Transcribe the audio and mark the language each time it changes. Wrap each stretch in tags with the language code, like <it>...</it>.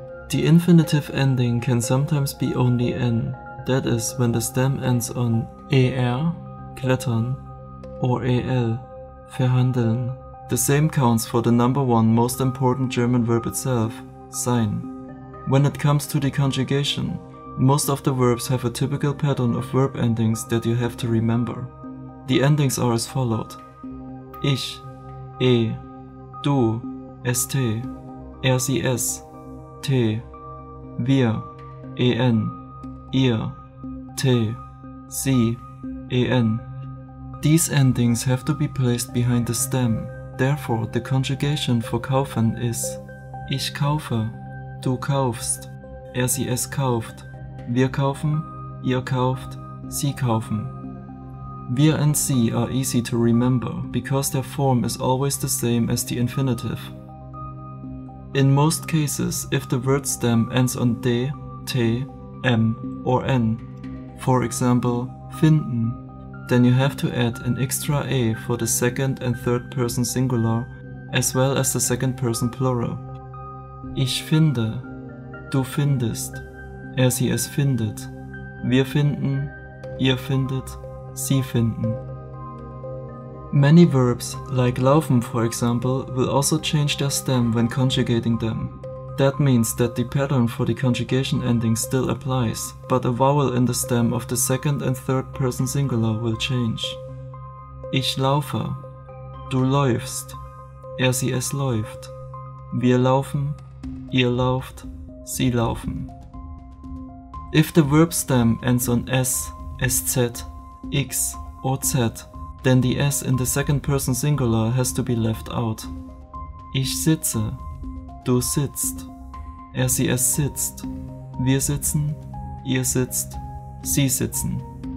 <en>The infinitive ending can sometimes be only n, that is, when the stem ends on er, klettern, or el, verhandeln. The same counts for the number one most important German verb itself, sein. When it comes to the conjugation, most of the verbs have a typical pattern of verb endings that you have to remember. The endings are as followed.</en> <de>Ich, e, du, st, er, sie, es, t, wir, en, ihr, t, sie, en.</de> <en>These endings have to be placed behind the stem. Therefore, the conjugation for kaufen is</en> <de>ich kaufe, du kaufst, er, sie, es kauft, wir kaufen, ihr kauft, sie kaufen.</de> <en>Wir and sie are easy to remember because their form is always the same as the infinitive. In most cases, if the word stem ends on de, te, m, or n, for example, finden, then you have to add an extra e for the second and third person singular, as well as the second person plural.</en> <de>Ich finde, du findest, er, sie, es findet, wir finden, ihr findet, sie finden.</de> <en>Many verbs, like laufen for example, will also change their stem when conjugating them. That means that the pattern for the conjugation ending still applies, but a vowel in the stem of the second and third person singular will change.</en> <de>Ich laufe. Du läufst. Er, sie, es läuft. Wir laufen. Ihr lauft. Sie laufen.</de> <en>If the verb stem ends on s, sz, x, or z, then the s in the second person singular has to be left out.</en> <de>Ich sitze. Du sitzt. Er, sie, es sitzt. Wir sitzen. Ihr sitzt. Sie sitzen.</de>